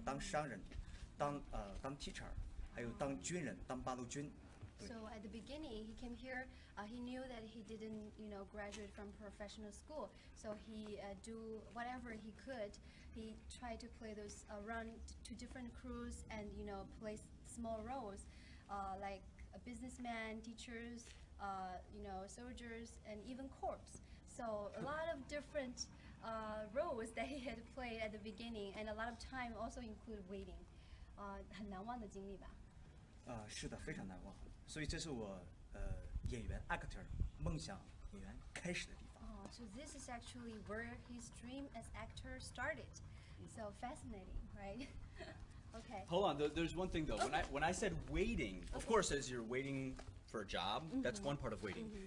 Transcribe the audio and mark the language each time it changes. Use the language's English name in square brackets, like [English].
[Chinese] 那您在这儿是不是也等就待了很长时间，然后一直在寻找机会，对吧？对，我知道我是半路出家，所以我想的是从重新开始，所以跑龙套当死士，当商人，当 teacher， 还有当 军人，当八路军。 [English] So at the beginning, he came here. He knew that he didn't, you know, graduate from professional school. So he do whatever he could. He tried to play those run to different crews and, you know, play small roles, like a businessman, teachers, you know, soldiers, and even corps. So a lot of different roles that he had played at the beginning, and a lot of time also included waiting. [Chinese] 很难忘的经历吧？是的，非常难忘。所以这是我演员 actor 梦想演员开始的地方。 [English] So this is actually where his dream as actor started. So fascinating, right? Okay. Hold on. There's one thing though. When I said waiting, of course, as you're waiting for a job, that's one part of waiting.